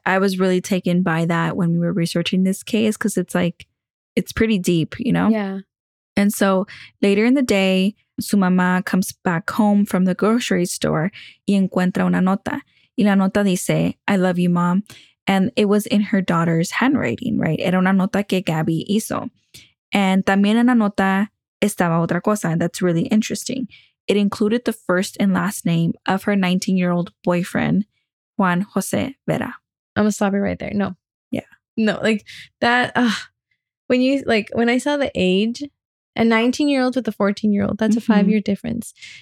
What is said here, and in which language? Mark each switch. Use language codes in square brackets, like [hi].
[en] I was really taken by that when we were researching this case because it's like, it's pretty deep, you know? Yeah. And so later in the day, [es] su mamá [en] comes back home from the grocery store [es] y encuentra una nota. Y la nota dice, [en] I love you, mom. And it was in her daughter's handwriting, right? [es] Era una nota que Gabby hizo. [en] And [es] también en la nota estaba otra cosa. [en] That's really interesting. It included the first and last name of her 19-year-old boyfriend, Juan José Vera. I'm going to stop it right there. No. Yeah. No, like that. When I saw the age, a 19-year-old with a 14-year-old, that's mm-hmm. a 5-year difference.